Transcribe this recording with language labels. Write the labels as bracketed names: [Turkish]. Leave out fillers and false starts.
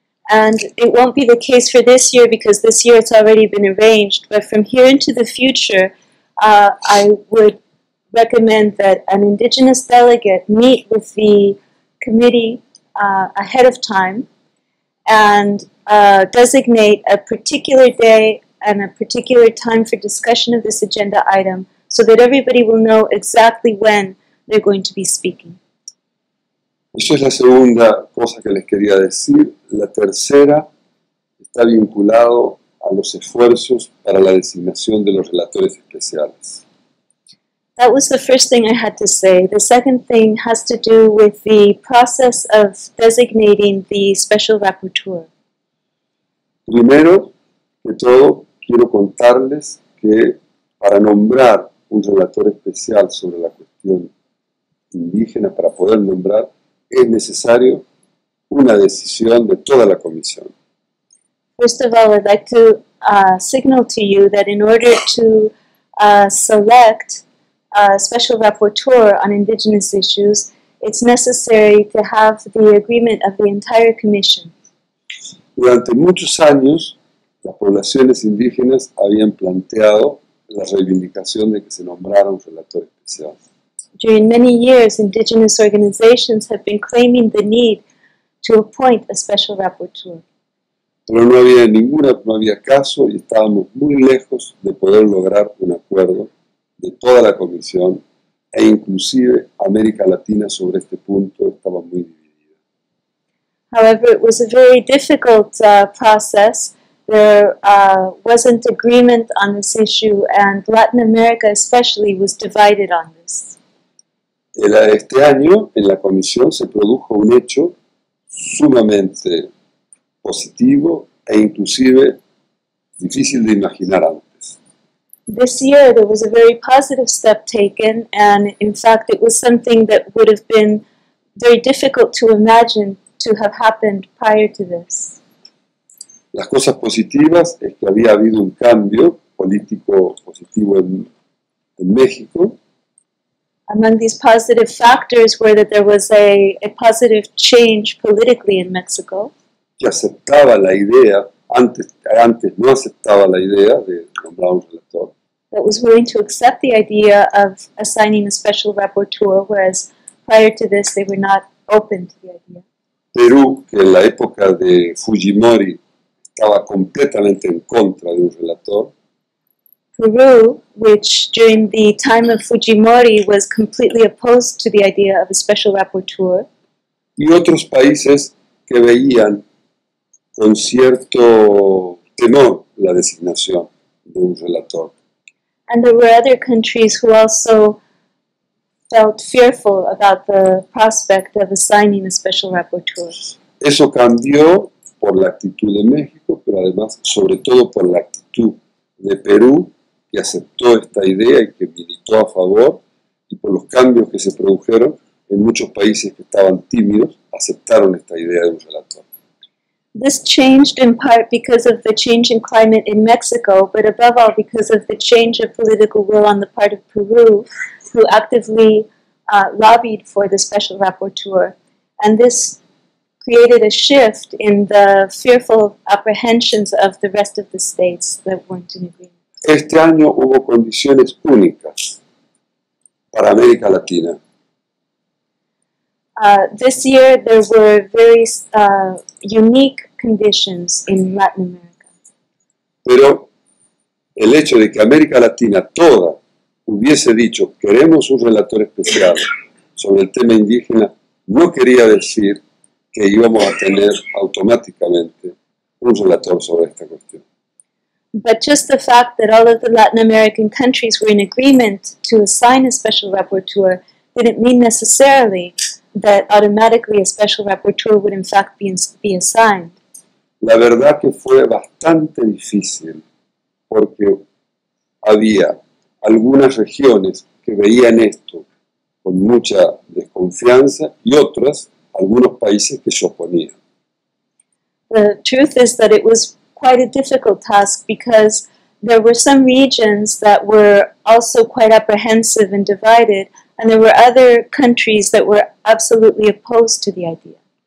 [English] And it won't be the case for this year, because this year it's already been arranged, but from here into the future, I would recommend that an indigenous delegate meet with the committee ahead of time and designate a particular day and a particular time for discussion of this agenda item, so that everybody will know exactly when they're going to be speaking. [Spanish] Eso es la segunda cosa que les quería decir. La tercera está vinculado a los esfuerzos para la designación de los relatores especiales. [English] That was the first thing I had to say. The second thing has to do with the process of designating the special rapporteur. [Spanish] Primero que todo, quiero contarles que para nombrar un relator especial sobre la cuestión indígena, para poder nombrar, es necesario una decisión de toda la comisión. [English] First of all, I'd like to signal to you that in order to select a special rapporteur on indigenous issues, it's necessary to have the agreement of the entire commission. [Spanish] Durante muchos años, las poblaciones indígenas habían planteado la reivindicación de que se nombrara un relator especial. [English] During many years, indigenous organizations have been claiming the need to appoint a special rapporteur. [Spanish] Pero no había ninguna, no había caso y estábamos muy lejos de poder lograr un acuerdo de toda la comisión e inclusive América Latina sobre este punto estaba muy dividida. [English] However, it was a very difficult process. There wasn't agreement on this issue and Latin America especially was divided on this. [Spanish] Este año en la comisión se produjo un hecho sumamente positivo e inclusive difícil de imaginar antes. [English] This year there was a very positive step taken and in fact it was something that would have been very difficult to imagine to have happened prior to this. [Spanish] Las cosas positivas es que había habido un cambio político positivo en México. [English] Among these positive factors were that there was a positive change politically in Mexico. [Spanish] Que aceptaba la idea, antes no aceptaba la idea de nombrar un relator. [English] That was willing to accept the idea of assigning a special rapporteur, whereas prior to this they were not open to the idea. [Spanish] Perú, que en la época de Fujimori estaba completamente en contra de un relator. [English] Peru, which during the time of Fujimori was completely opposed to the idea of a special rapporteur. [Spanish] Y otros países que veían con cierto temor la designación de un relator. [English] And there were other countries who also felt fearful about the prospect of assigning a special rapporteur. [Spanish] Eso cambió por la actitud de México, pero además, sobre todo por la actitud de Perú, que aceptó esta idea y que militó a favor, y por los cambios que se produjeron en muchos países que estaban tímidos, aceptaron esta idea de un relator. [English] This changed in part because of the change in climate in Mexico, but above all because of the change of political will on the part of Peru, who actively lobbied for the special rapporteur. And this created a shift in the fearful apprehensions of the rest of the states that weren't in agreement. [Spanish] Este año hubo condiciones únicas para América Latina. [English] This year there were very unique conditions in Latin America. [Spanish] Pero el hecho de que América Latina toda hubiese dicho queremos un relator especial sobre el tema indígena no quería decir que íbamos a tener automáticamente un relator sobre esta cuestión. [English] But just the fact that all of the Latin American countries were in agreement to assign a special rapporteur didn't mean necessarily that automatically a special rapporteur would in fact be assigned. [Spanish] La verdad que fue bastante difícil porque había algunas regiones que veían esto con mucha desconfianza y otras, algunos países que se oponían. [English] The truth is that it was quite a difficult task because there were some regions that were also quite apprehensive and divided, and there were other countries that were absolutely opposed to the idea.